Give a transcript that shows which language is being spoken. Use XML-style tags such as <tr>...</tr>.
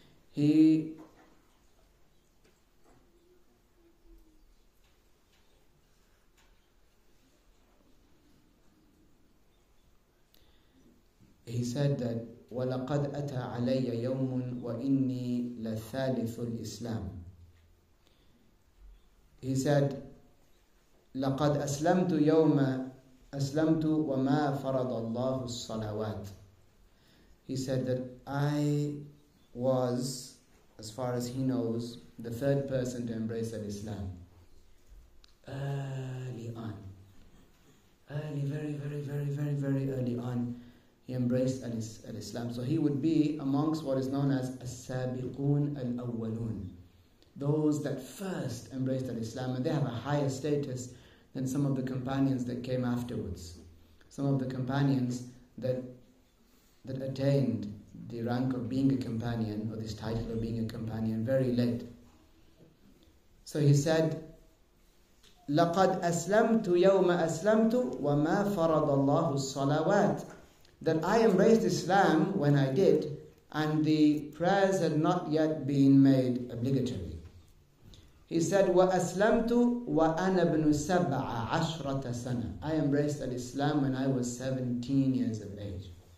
<en>He said that</en> <ar>وَلَقَدْ أَتَى عَلَيَّ يَوْمٌ وَإِنِّي لَثَالِثُ الْإِسْلَامِ.</ar> <en>He said,</en> <ar>لَقَدْ أَسْلَمْتُ يَوْمَ أَسْلَمْتُ وَمَا فَرَضَ اللَّهُ الصَّلَوَاتِ.</ar> <en>He said that I was, as far as he knows, the third person to embrace Islam. Early on. Early, very, very, very, very, very early on. He embraced al-Islam. So he would be amongst what is known as as-sabiqun al-awwalun. Those that first embraced al-Islam, and they have a higher status than some of the companions that came afterwards. Some of the companions that attained the rank of being a companion, or this title of being a companion, very late. So he said,</en> <ar>لَقَدْ أَسْلَمْتُ يَوْمَ أَسْلَمْتُ وَمَا فَرَضَ اللَّهُ الصَّلَوَاتِ.</ar> <en>That I embraced Islam when I did, and the prayers had not yet been made obligatory. He said,</en> <ar>وَأَسْلَمْتُ وَأَنَا بْنُ سَبْعَ عَشْرَةَ سَنَةً.</ar> <en>I embraced Islam when I was 17 years of age.</en>